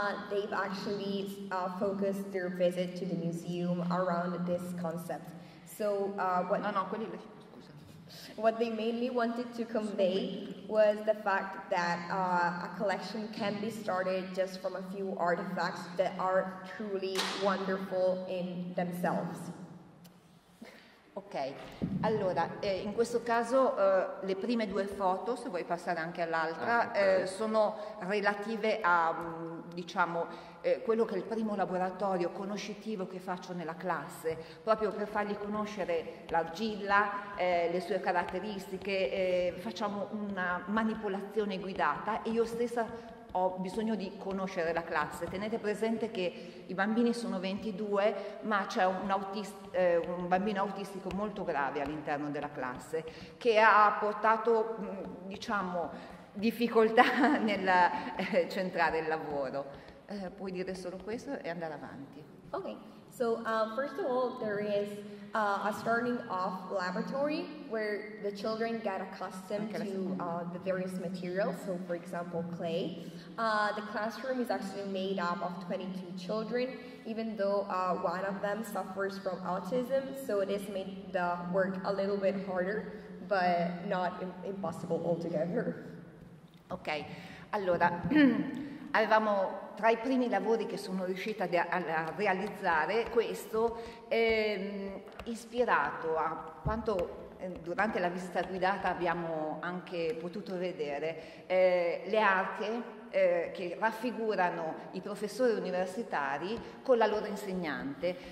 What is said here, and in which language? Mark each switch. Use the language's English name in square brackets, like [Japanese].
[English] They've actually focused their visit to the museum around this concept. So what... [Italian] No, quelli lì. [English] What they mainly wanted to convey was the fact that a collection can be started just from a few artifacts that are truly wonderful in themselves. [Italian] Ok, allora, in questo caso le prime due foto, se vuoi passare anche all'altra, sono relative a, diciamo, quello che è il primo laboratorio conoscitivo che faccio nella classe, proprio per fargli conoscere l'argilla, le sue caratteristiche. Facciamo una manipolazione guidata e io stessa ho bisogno di conoscere la classe. Tenete presente che i bambini sono 22, ma c'è un bambino autistico molto grave all'interno della classe, che ha portato, diciamo, difficoltà nel centrare il lavoro. Puoi dire solo questo e andare avanti. [English] Ok, so first of all there is a starting off laboratory where the children get accustomed to the various materials, so for example clay. The classroom is actually made up of 22 children, even though one of them suffers from autism, so it has made the work a little bit harder, but not impossible altogether. [Italian] Ok, allora, avevamo tra i primi lavori che sono riuscita a realizzare questo, ispirato a quanto durante la visita guidata abbiamo anche potuto vedere, le arche che raffigurano i professori universitari con la loro insegnante.